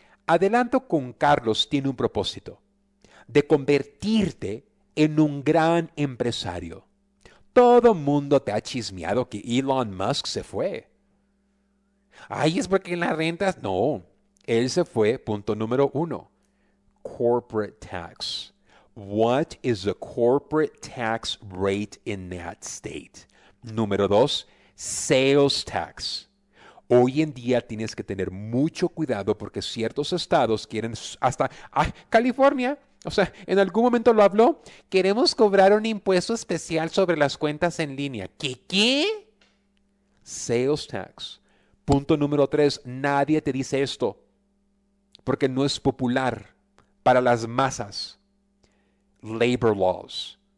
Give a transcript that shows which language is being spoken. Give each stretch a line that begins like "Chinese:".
Spanish: Adelanto con Carlos tiene un propósito, de convertirte en un gran empresario. Todo mundo te ha chismeado que Elon Musk se fue. Ay, es porque las rentas. No. Él se fue, punto número uno.
English: Corporate tax. What is the corporate tax rate in that state?
Spanish: Número dos, sales tax. Hoy en día tienes que tener mucho cuidado porque ciertos estados quieren hasta California, o sea, en algún momento lo habló, queremos cobrar un impuesto especial sobre las cuentas en línea. ¿Qué? Sales tax. Punto número tres, nadie te dice esto porque no es popular. Para las masas, labor laws.